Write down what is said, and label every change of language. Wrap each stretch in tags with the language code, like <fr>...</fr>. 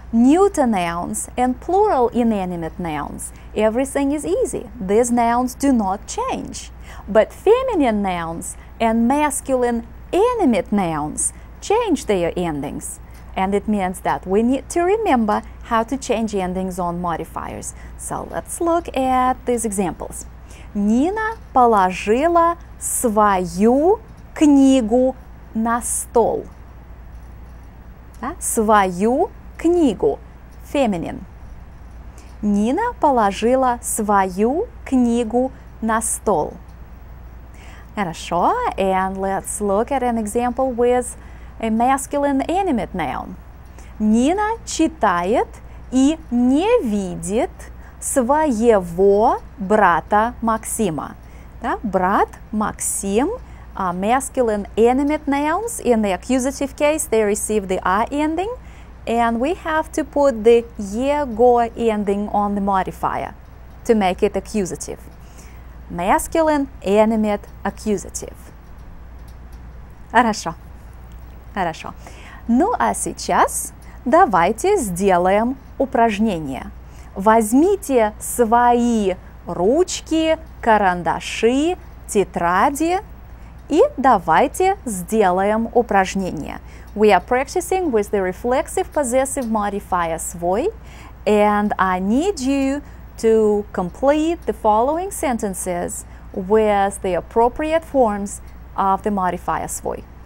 <en>neuter nouns and plural inanimate nouns, everything is easy. These nouns do not change. But feminine nouns and masculine animate nouns change their endings. And it means that we need to remember how to change endings on modifiers. So let's look at these examples.</en> <ru>Нина положила свою книгу на стол. Свою книгу.</ru> <en>Feminine.</en> <ru>Нина положила свою книгу на стол. Хорошо.</ru> <en>And let's look at an example with a masculine animate noun.</en> <ru>Нина читает и не видит своего брата Максима. Да? Брат Максим.</ru> <en>Masculine animate nouns in the accusative case, they receive the -a ending, and we have to put the -ego ending on the modifier to make it accusative. Masculine animate accusative.</en> <ru>Хорошо. Хорошо. Ну а сейчас давайте сделаем упражнение. Возьмите свои ручки, карандаши, тетради. И давайте сделаем упражнение.</ru> <en>We are practicing with the reflexive possessive modifier свой. And I need you to complete the following sentences with the appropriate forms of the modifier свой.</en>